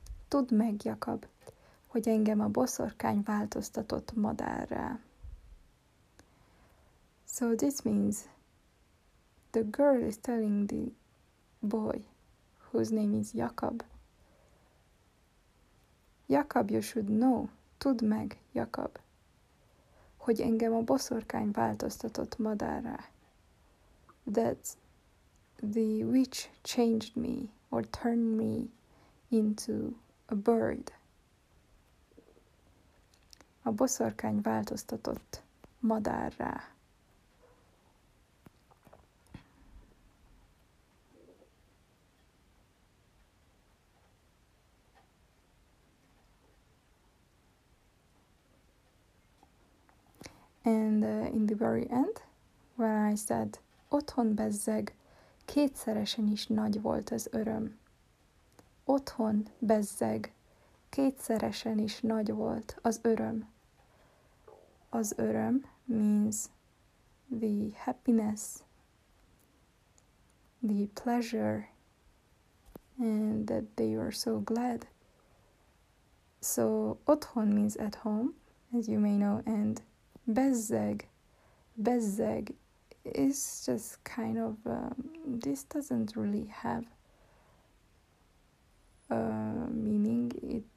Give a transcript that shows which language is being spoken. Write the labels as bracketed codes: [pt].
[hu] Tudd meg, Jakab, hogy engem a boszorkány változtatott madárrá. [en] So this means the girl is telling the boy, whose name is Jakab. Jakab, you should know. [hu] Tudd meg, Jakab, hogy engem a boszorkány változtatott madárrá. [en] That the witch changed me or turned me into a bird. [hu] A boszorkány változtatott madárrá. [en] And in the very end, when I said, [hu] otthon bezzeg, kétszeresen is nagy volt az öröm. Otthon bezzeg, kétszeresen is nagy volt az öröm. Az öröm [en] means the happiness, the pleasure, and that they were so glad. So, otthon means at home, as you may know, and bezzeg, bezzeg is just kind of, this doesn't really have a meaning.